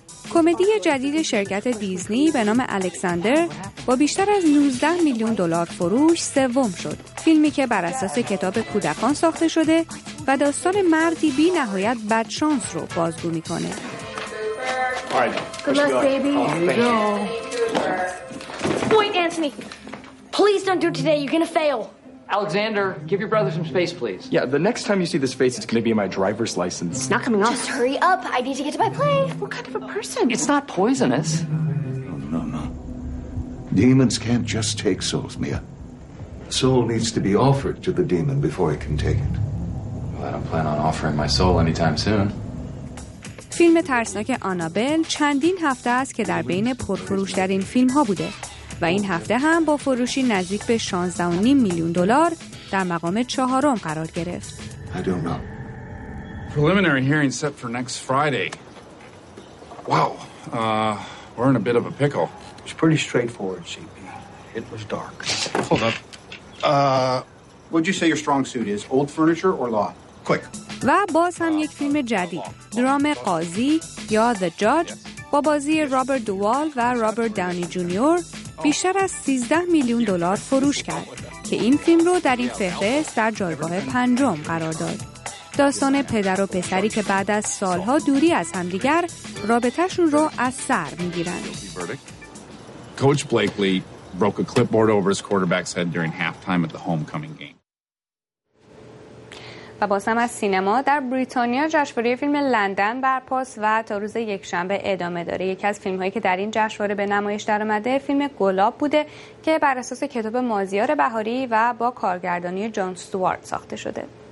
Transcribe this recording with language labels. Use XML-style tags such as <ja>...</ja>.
<fa>کمدی جدید شرکت دیزنی به نام الکساندر با بیشتر از 19 میلیون دلار فروش سوم شد. فیلمی که بر اساس کتاب کودکان ساخته شده و داستان مردی بی نهایت بدشانس رو بازگو میکنه.</fa> <en>Alexander, give your brother some space, please. Yeah, the next time you see this face, it's going to be in my driver's license. It's not coming off. Just hurry up. I need to get to my play. What kind of a person? It's not poisonous. No. Demons can't just take souls, Mia. Soul needs to be offered to the demon before it can take it. Well, I don't plan on offering my soul anytime soon.</en> <fa>فیلم ترسناک آنابل چندین هفته است که در بین پرفروش‌ترین فیلم‌ها بوده. و این هفته هم با فروشی نزدیک به 16.5 میلیون دلار در مقام چهارم قرار گرفت.</fa> <en>Preliminary hearing set for next Friday. Wow. We're in a bit of a pickle. It's pretty straightforward, CP. It was dark. Hold up. What'd you say your strong suit is? Old furniture or law? Quick.</en> <fa>و باز هم یک فیلم جدید. درام قاضی یا The Judge با بازی رابرت دووال و رابرت داونی جونیور بیشتر از 13 میلیون دلار فروش کرد که این فیلم رو در این فهرست در جایگاه پنجم قرار داد. داستان پدر و پسری که بعد از سالها دوری از همدیگر رابطه‌شون رو از سر می‌گیرن.</fa> <en>Coach Blakely broke a clipboard over his quarterback's head during halftime at the homecoming game.</en> <fa>و بازم از سینما، در بریتانیا جشنواره فیلم لندن برپاست و تا روز یکشنبه ادامه داره. یکی از فیلم‌هایی که در این جشنواره به نمایش درآمده فیلم گلاب بوده که بر اساس کتاب مازیار بهاری و با کارگردانی جان استوارت ساخته شده.</fa>